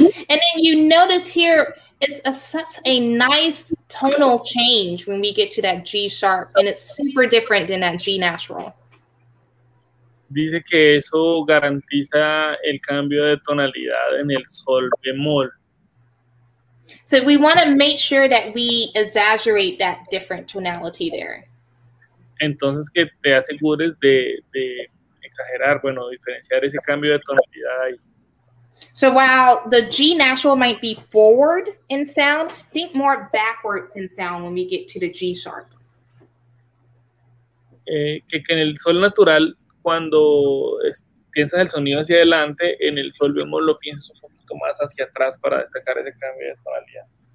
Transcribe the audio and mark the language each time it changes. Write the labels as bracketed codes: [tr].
[en] And then you notice here it's such a nice tonal change when we get to that G sharp, and it's super different than that G natural. [es] Dice que eso garantiza el cambio de tonalidad en el sol bemol. [en] So we want to make sure that we exaggerate that different tonality there. [es] Entonces que te asegures de exagerar, bueno, diferenciar ese cambio de tonalidad ahí. [en] So while the G natural might be forward in sound, think more backwards in sound when we get to the G sharp. [es] Que en el sol natural, cuando piensas el sonido hacia adelante, en el sol bemol lo piensas un poquito más hacia atrás para destacar ese cambio de tonalidad.